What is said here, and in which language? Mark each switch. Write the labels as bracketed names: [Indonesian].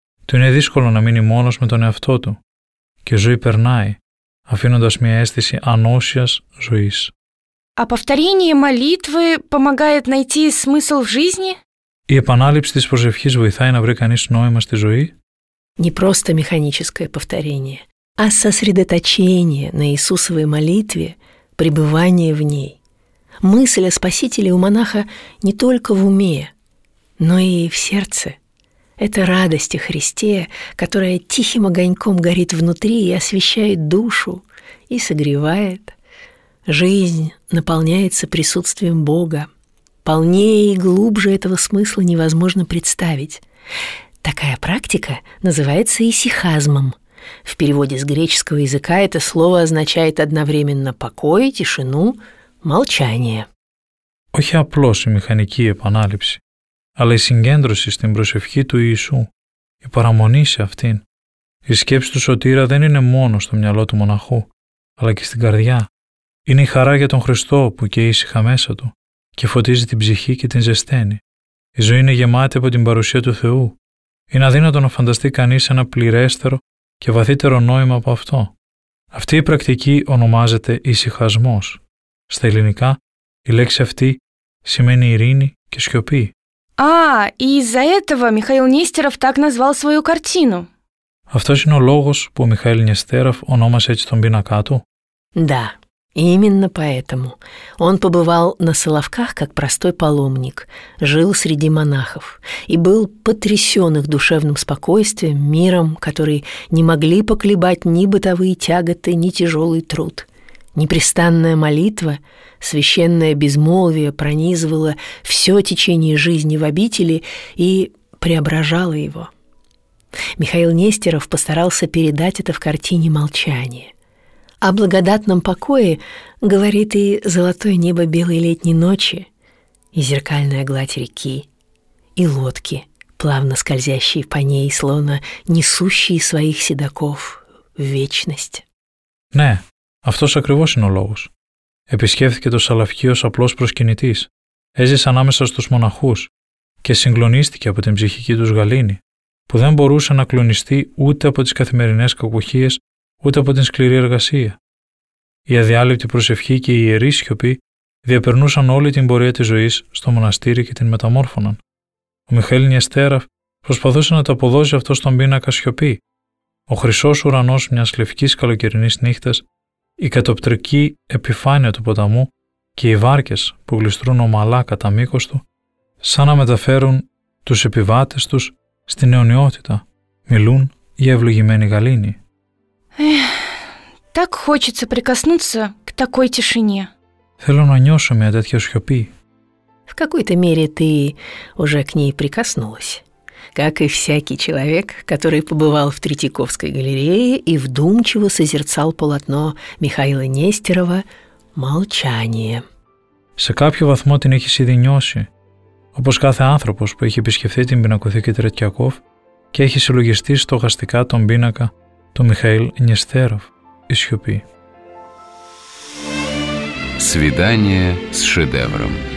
[Greek] Του είναι δύσκολο να μείνει μόνος με τον εαυτό του. Και ζωή περνάει, αφήνοντας μια αίσθηση ανώσιας ζωής. [Russian] Αποφταρίνει η μολύτβη помогает найти смысл в жизни? [Greek] Η επανάληψη της προσευχής βοηθάει να βρει κανείς νόημα στη ζωή? [Russian] Не просто механическое повторение, а сосредоточение на Иисусовой молитве, пребывание в ней. Мысль о спасителе у монаха не только в уме, но и в сердце. Это радость о Христе, которая тихим огоньком горит внутри и освещает душу и согревает. Жизнь наполняется присутствием Бога. Полнее и глубже этого смысла невозможно представить. Такая практика называется исихазмом. В переводе с греческого языка это слово означает одновременно покой, тишину, молчание. [Greek] Όχι απλώς η μηχανική επανάληψη, αλλά η συγκέντρωση στην προσευχή του Ιησού, η παραμονή σε αυτήν. Η σκέψη του Σωτήρα δεν είναι μόνο στο μυαλό του μοναχού, αλλά και στην καρδιά. Είναι η χαρά για τον Χριστό που καίει ήσυχα μέσα του και φωτίζει την ψυχή και την ζεσταίνει. Η ζωή είναι γεμάτη από την παρουσία του Θεού. Είναι αδύνατο να φανταστεί κανείς ένα πληρέστερο και βαθύτερο νόημα από αυτό. Αυτή η πρακτική ονομάζεται ησυχασμός. Στα ελληνικά, η λέξη αυτή σημαίνει ειρήνη και σιωπή. [Russian] Α, из-за этого Михаил Нестеров так назвал свою картину. [Greek] Αυτός είναι ο λόγος που ο Михаил Нестеров ονόμασε έτσι τον πίνακά του? [Russian] Да, именно поэтому. Он побывал на Соловках как простой паломник, жил среди монахов и был потрясен их душевным спокойствием, миром, который не могли поколебать ни бытовые тяготы, ни тяжелый труд. Непрестанная молитва, священное безмолвие пронизывало все течение жизни в обители и преображало его. Михаил Нестеров постарался передать это в картине «Молчание». О благодатном покое говорит и золотое небо белой летней ночи, и зеркальная гладь реки, и лодки, плавно скользящие по ней, словно несущие своих седоков в вечность. [Greek] Ναι, αυτός ακριβώς είναι ο λόγος. Επισκέφθηκε το Σαλαφκί ως απλός προσκυνητής, έζησε ανάμεσα στους μοναχούς και συγκλονίστηκε από την ψυχική τους γαλήνη, που δεν μπορούσε να κλονιστεί ούτε από τις καθημερινές κακοχίες ούτε από την σκληρή εργασία. Η αδιάλειπτη προσευχή και η ιερή σιωπή διαπερνούσαν όλη την πορεία της ζωής στο μοναστήρι και την μεταμόρφωναν. Ο Μιχαήλ Νιεστέραφ προσπαθούσε να το αποδώσει αυτό στον πίνακα σιωπή. Ο χρυσός ουρανός μιας λευκής καλοκαιρινής νύχτας, η κατοπτρική επιφάνεια του ποταμού και οι βάρκες που γλιστρούν ομαλά κατά μήκος του, σαν να μεταφέρουν τους επιβάτες τους στην αιωνιότητα, μιλούν για ευλογημένη γαλήνη. [Russian] Так хочется прикоснуться к такой тишине. [Greek] Θέλω να νιώσω μια τέτοια σιωπή. [Russian] В какой-то мере ты уже к ней прикоснулась. Как и всякий человек, который побывал в Третьяковской галерее и вдумчиво созерцал полотно Михаила Нестерова «Молчание». [Greek] Σε κάποιο βαθμό την έχεις ήδη νιώσει, όπως κάθε άνθρωπος που έχει επισκεφθεί την πινακοθήκη Τρετιακόφ και έχει συλλογιστεί στοχαστικά τον πίνακα του Михаил Нестеров, «Η σιωπή». [Russian] Свидание с шедевром.